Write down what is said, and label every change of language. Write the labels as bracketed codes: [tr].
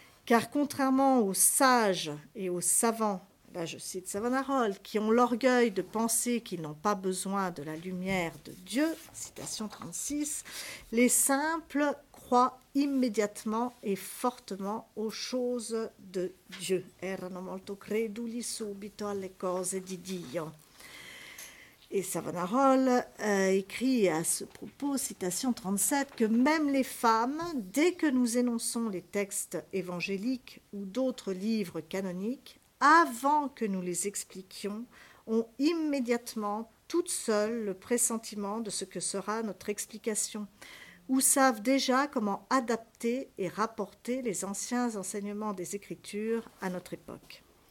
[fr] Car contrairement aux sages et aux savants, là je cite Savonarole, qui ont l'orgueil de penser qu'ils n'ont pas besoin de la lumière de Dieu, citation 36, les simples croient immédiatement et fortement aux choses de Dieu. [it] Erano molto creduli subito alle cose di Dio. [fr] Et Savonarole écrit à ce propos, citation 37, que même les femmes, dès que nous énonçons les textes évangéliques ou d'autres livres canoniques, avant que nous les expliquions, ont immédiatement, toutes seules, le pressentiment de ce que sera notre explication, ou savent déjà comment adapter et rapporter les anciens enseignements des Écritures à notre époque.